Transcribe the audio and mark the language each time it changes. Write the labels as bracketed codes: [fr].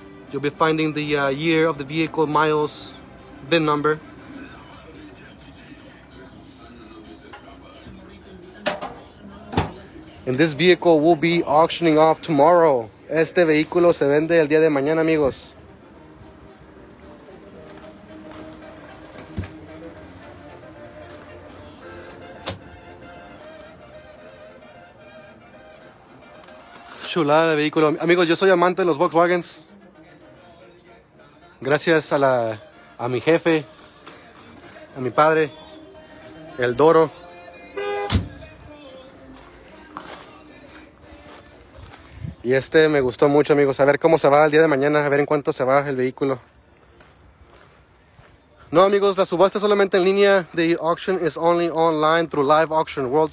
[en] You'll be finding the year of the vehicle, miles, VIN number. And this vehicle will be auctioning off tomorrow. [es] Este vehículo se vende el día de mañana, amigos. Chulada de vehículo. Amigos, yo soy amante de los Volkswagens. Gracias a mi jefe, a mi padre, el Doro. Y este me gustó mucho, amigos. A ver cómo se va el día de mañana, a ver en cuánto se va el vehículo. No, amigos, la subasta solamente en línea. [en] The auction is only online through Live Auction World.